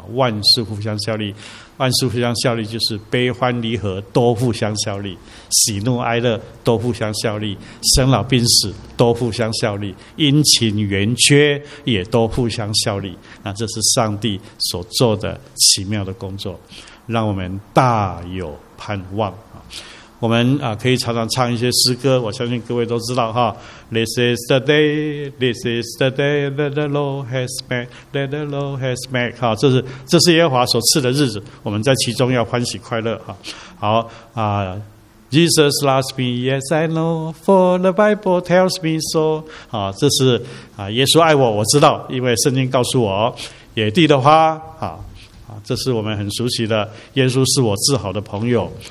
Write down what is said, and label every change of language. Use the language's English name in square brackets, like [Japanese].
[Chinese] 万事互相效力，万事互相效力就是悲欢离合都互相效力，喜怒哀乐都互相效力，生老病死都互相效力，阴晴圆缺也都互相效力。那这是上帝所做的奇妙的工作，让我们大有盼望。我们可以常常唱一些诗歌，我相信各位都知道哈。 [English] This is the day, this is the day that the Lord has made, that the Lord has made。 [Chinese] 好，这是耶和华所赐的日子，我们在其中要欢喜快乐哈。好啊 [English] ，Jesus loves me, yes I know, for the Bible tells me so。 [Chinese] 好，这是耶稣爱我，我知道，因为圣经告诉我。野地的花，这是我们很熟悉的，耶稣是我至好的朋友。